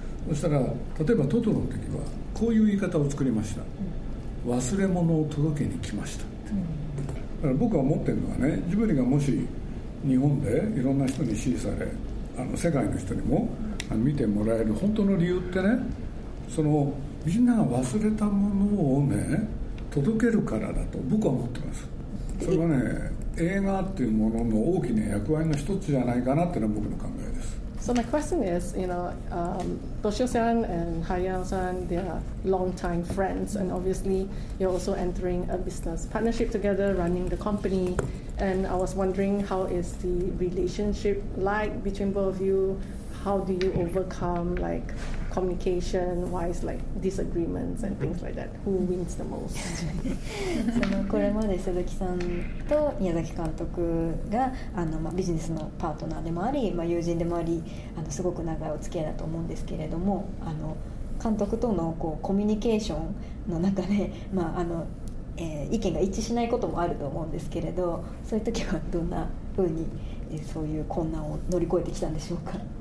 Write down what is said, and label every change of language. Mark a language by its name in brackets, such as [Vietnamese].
[Japanese] そしたら例えばトトロの時はこういう言い方を作りました、忘れ物を届けに来ましたって。だから僕は思ってるのはね、ジブリがもし日本でいろんな人に支持され、あの世界の人にも見てもらえる本当の理由ってね、そのみんなが忘れたものをね届けるからだと僕は思ってます。それはね映画っていうものの大きな役割の一つじゃないかなっていうのが僕の考えです。 [English] So my question is, you know, Toshio-san and Hayao-san, they are long-time friends, and obviously you're also entering a business partnership together, running the company. And I was wondering, how is the relationship like between both of you? How do you overcome like communication-wise, like disagreements and things like that? Who wins the most? [Japanese] そのこれまで鈴木さんと宮崎監督があの、ま、ビジネスのパートナーでもあり、ま、友人でもあり、あのすごく長いお付き合いだと思うんですけれども、あの監督とのこうコミュニケーションの中で、ま、あの、意見が一致しないこともあると思うんですけれど、そういう時はどんな風に、そういう困難を乗り越えてきたんでしょうか。